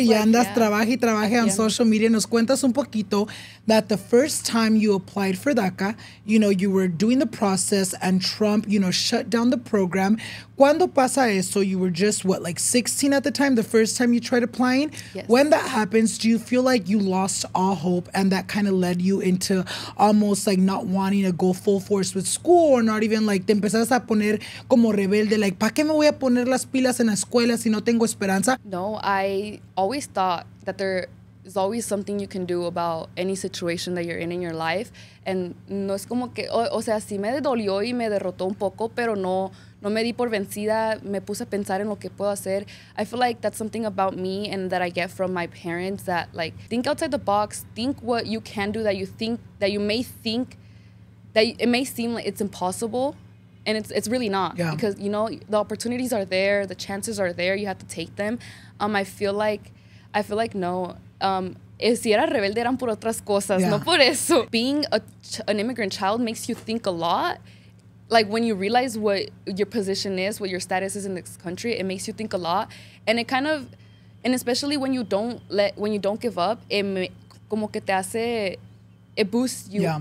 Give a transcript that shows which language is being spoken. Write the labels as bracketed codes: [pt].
[es] Ya andas trabaja y trabaja [en] on social media. [es] Nos cuentas un poquito [en] that the first time you applied for DACA, you know, you were doing the process and Trump, you know, shut down the program. [es] ¿Cuándo pasa eso? [en] You were just, what, like 16 at the time, the first time you tried applying? Yes. When that happens, do you feel like you lost all hope and that kind of led you into almost like not wanting to go full force with school, or not even like, [es] te empezaste a poner como rebelde, [en] like, [es] ¿para qué me voy a poner las pilas en la escuela si no tengo esperanza? [en] No, I always thought that there is always something you can do about any situation that you're in your life. [es] And no es como que, o sea, sí me dolió y me derrotó un poco, pero no... No me di por vencida, me puse a pensar en lo que puedo hacer. [en] I feel like that's something about me and that I get from my parents, that like, think outside the box, think what you can do that it may seem like it's impossible, and it's really not. Yeah. Because, you know, the opportunities are there, the chances are there, you have to take them. I feel like no. [es] si era rebelde eran por otras cosas, yeah. No por eso. [en] Being an immigrant child makes you think a lot. Like, when you realize what your position is, what your status is in this country, it makes you think a lot. And it kind of, and especially when you don't let, when you don't give up, [es] como que te hace, [en] it boosts you yeah.